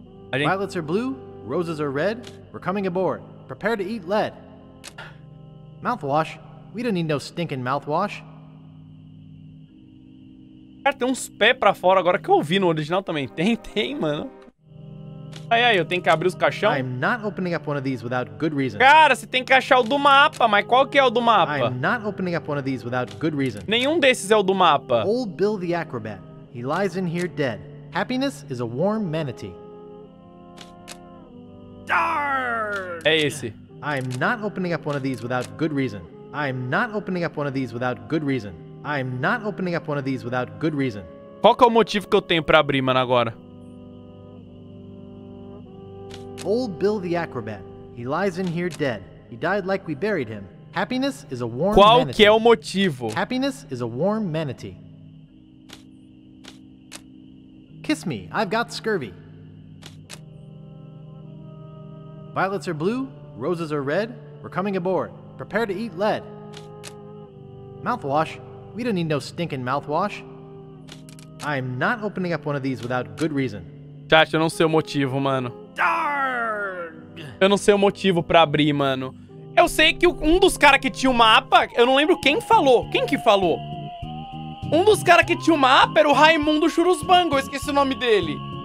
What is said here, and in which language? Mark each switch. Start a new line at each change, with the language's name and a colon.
English: Violets are blue, roses are red. We're coming aboard. Prepare to eat lead. Mouthwash? We don't need no stinking mouthwash.
Portuguese: Cara, tem uns pés pra fora agora que eu vi no original também. Tem, tem, mano. Aí, aí, eu tenho que abrir os caixão?
English: I'm not opening up one of these without good reason.
Portuguese: Cara, você tem que achar o do mapa, mas qual que é o do mapa?
English: I'm not opening up one of these without good reason.
Portuguese: Nenhum desses é o do mapa.
English: Old Bill the Acrobat. He lies in here dead. Happiness is a warm manatee.
Portuguese: Darn! É esse.
English: I'm not opening up one of these without good reason. I'm not opening up one of these without good reason. I'm not opening up one of these without good reason.
Portuguese: Qual que é o motivo que eu tenho pra abrir, mano, agora?
English: Old Bill the Acrobat. He lies in here dead. He died like we buried him. Happiness is a warm
Portuguese: Qual
English: manatee.
Portuguese: Qual que é o motivo?
English: Happiness is a warm manatee. Kiss me, I've got scurvy. Violets are blue, roses are red. We're coming aboard, prepare to eat lead. Mouthwash? We don't need no stinking mouthwash. I'm not opening up one of these without good reason.
Portuguese: Chat, eu não sei o motivo, mano. Darg! Eu não sei o motivo pra abrir, mano. Eu sei que um dos caras que tinha o mapa... Eu não lembro quem falou. Quem que falou? Um dos caras que tinha o mapa era o Raimundo Churusbango. Eu esqueci o nome dele.